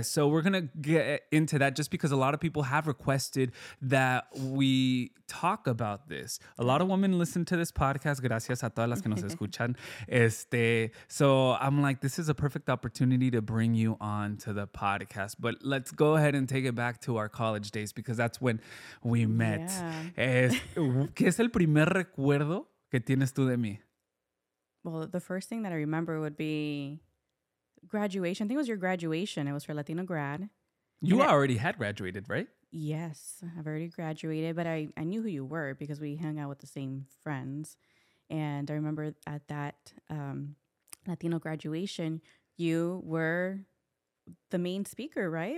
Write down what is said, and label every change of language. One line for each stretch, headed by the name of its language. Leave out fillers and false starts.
English: So we're going to get into that just because a lot of people have requested that we talk about this. A lot of women listen to this podcast.
Spanish: Gracias a todas las que nos escuchan.
English: So I'm like, this is a perfect opportunity to bring you on to the podcast. But let's go ahead and take it back to our college days, because that's when we met. Yeah.
Spanish: ¿Qué es el primer recuerdo que tienes tú de mí?
English: Well, the first thing that I remember would be graduation. I think it was your graduation. It was for Latino grad. You already had graduated, right? Yes, I've already graduated, but I knew who you were because we hung out with the same friends. And I remember at that Latino graduation, you were the main speaker, right?